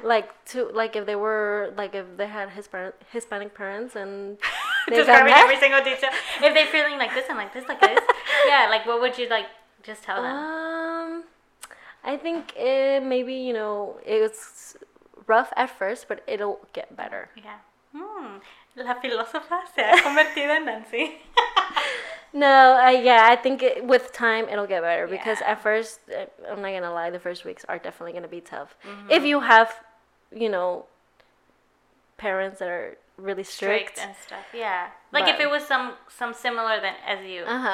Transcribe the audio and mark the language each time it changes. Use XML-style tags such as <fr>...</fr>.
<en>Like if they had Hispanic parents and... Describing every single detail. If they're feeling like this and like this, like this. Yeah, like, what would you, like, just tell them? I think maybe, you know, it's rough at first, but it'll get better. Yeah.</en> <es>La filósofa se ha convertido en Nancy.</es> <en>I think with time it'll get better. Yeah. Because at first, I'm not going to lie, the first weeks are definitely going to be tough. Mm-hmm. If you have, you know, parents that are... really strict and stuff. Yeah, like, but, if it was some similar than as you.</en>